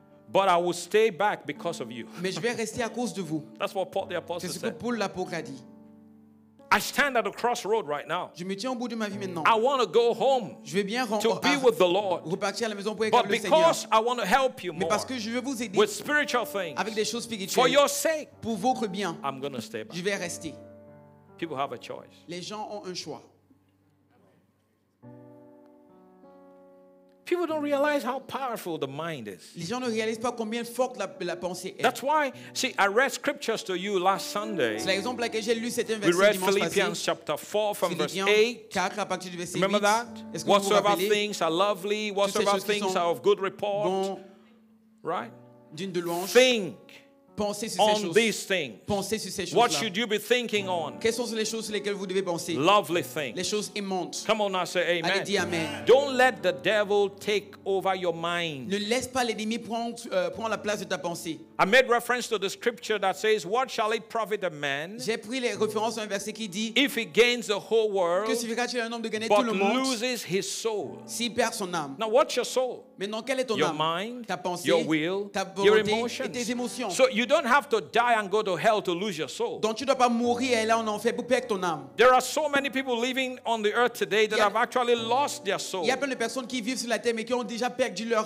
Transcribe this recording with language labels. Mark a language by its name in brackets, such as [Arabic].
[English] But I will stay back because of you. [French] Mais je vais rester à cause de vous. [English] That's what Paul the apostle said. [French] C'est ce que Paul l'apôtre a dit. [English] I stand at a crossroad right now. [French] Je me tiens au bout de ma vie maintenant. [English] I want to go home. [French] Je vais bien [English] to be with the Lord. [French] Repartir à la maison pour être avec le Seigneur. [English] But because I want to help you more. [French] Mais parce que je veux vous aider. [English] With spiritual things. [French] Avec des choses spirituelles. [English] For your sake. [French] Pour votre bien. [English] I'm going to stay back. [French] Je vais rester. [English] People have a choice. [French] Les gens ont un choix. [English] People don't realize how powerful the mind is. [French] Les gens ne réalisent pas combien forte la pensée est. [English] That's why, see, I read scriptures to you last Sunday. [French] C'est l'exemple pour lequel j'ai lu cet verset. [English] We read Philippians chapter 4 from verse 8. [French] À partir du verset 8. [English] Remember that? Whatsoever things are lovely, whatsoever things are of good report, [French] bon, [English] right? [French] D'une de louange. [English] Think. [French] Pensez sur [English] on [French] ces [English] these things. [French] Pensez sur ces choses-là. [English] What should you be thinking on? [French] Quelles sont les choses sur lesquelles vous devez penser? [English] Lovely things. [French] Les choses immondes. [English] Come on now, say amen. [French] Allez, dis amen. [English] Don't let the devil take over your mind. [French] Ne laisse pas l'ennemi prendre la place de ta pensée. [English] I made reference to the scripture that says, what shall it profit a man? [French] J'ai pris les références à un verset qui dit, [English] if he gains the whole world, [French] que signifie-t-il un homme de gagner [English] but [French] tout le monde, [English] loses his soul. [French] S'il perd son âme. [English] Now what's your soul? [French] Maintenant, quelle est ton [English] your [French] âme? [English] Mind, [French] ta pensée, [English] your will, [French] ta volonté, [English] your emotions, [French] et tes émotions. [English] So you don't have to die and go to hell to lose your soul. [French] Donc tu dois pas mourir et là en enfer pour perdre ton âme. [English] There are so many people living on the earth today that have actually lost their soul. [French] Il y a plein de personnes qui vivent sur la terre mais qui ont déjà perdu leur âme.